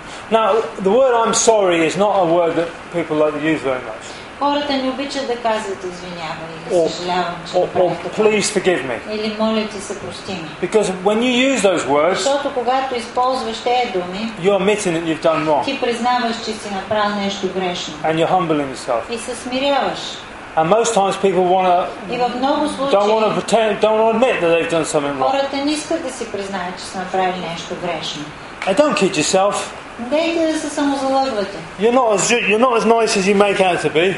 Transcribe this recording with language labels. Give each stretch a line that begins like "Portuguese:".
English: Now, the word I'm sorry is not a word that people like to use very much.
Bulgarian: Хората не обичат да казват извинявай,
English: or please forgive me.
Bulgarian: Или моля ти се прости ми.
English: Because when you use those words,
Bulgarian: защото когато използваш тези думи,
English: you're admitting that you've done wrong.
Bulgarian: Ти признаваш, че си направил нещо грешно.
English: And you're humbling yourself.
Bulgarian: И се смиряваш.
English: And most times people don't want to admit that they've done something wrong.
Bulgarian: Хората не искат да си признаят, че са направили нещо грешно.
English: And don't kid yourself.
Bulgarian: Дейте да се самозалъгвате.
English: You're not as nice as you make out to be.